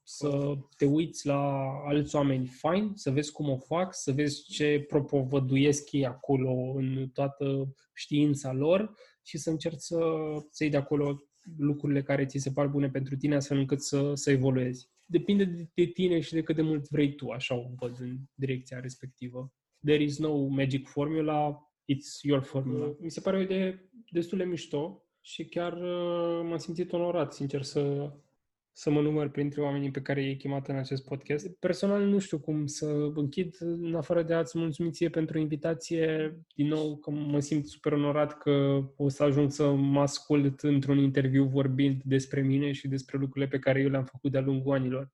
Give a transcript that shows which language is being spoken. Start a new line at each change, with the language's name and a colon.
Romanian: Să te uiți la alți oameni, fain, să vezi cum o fac, să vezi ce propovăduiesc ei acolo în toată știința lor și să încerci să iei de acolo lucrurile care ți se par bune pentru tine, astfel încât să evoluezi. Depinde de tine și de cât de mult vrei tu, așa o văd în direcția respectivă.
English: There is no magic formula, it's your formula.
Romanian: Mi se pare o idee destul de mișto și chiar m-am simțit onorat, sincer, să să mă număr printre oamenii pe care i-ai chemat în acest podcast. Personal nu știu cum să închid, în afară de a-ți mulțumi ție pentru invitație, din nou că mă simt super onorat că o să ajung să mă ascult într-un interviu vorbind despre mine și despre lucrurile pe care eu le-am făcut de-a lungul anilor.